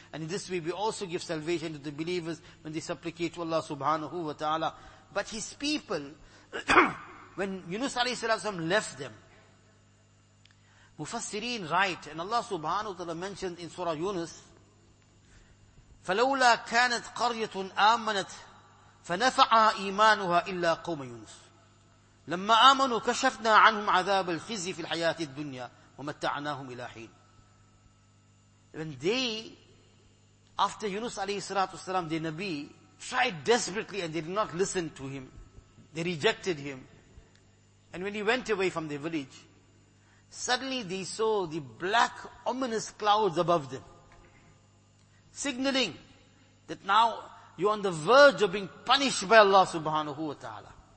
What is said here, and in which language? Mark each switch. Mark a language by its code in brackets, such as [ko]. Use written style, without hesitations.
[en] And in this way we also give salvation to the believers when they supplicate to Allah subhanahu wa ta'ala. But his people, when Yunus alayhi salam left them, Mufassirin write, and Allah subhanahu wa ta'ala mentioned in Surah Yunus, [ar] فَلَوْلَا كَانَتْ قَرْيَةٌ آمَنَتْ فَنَفَعَ إِيمَانُهَا إِلَّا قَوْمَ يُنُسُ لَمَّا آمَنُوا كَشَفْنَا عَنْهُمْ عَذَابَ الْخِزِي فِي الْحَيَاةِ الدُّنْيَا وَمَتَّعْنَاهُمْ إِلَى حِينَ. [en] When they, after Yunus alayhi salatu wasalam, the Nabi, tried desperately and they did not listen to him. They rejected him. And when he went away from the village, suddenly they saw the black ominous clouds above them, signaling that now you're on the verge of being punished by Allah subhanahu wa ta'ala.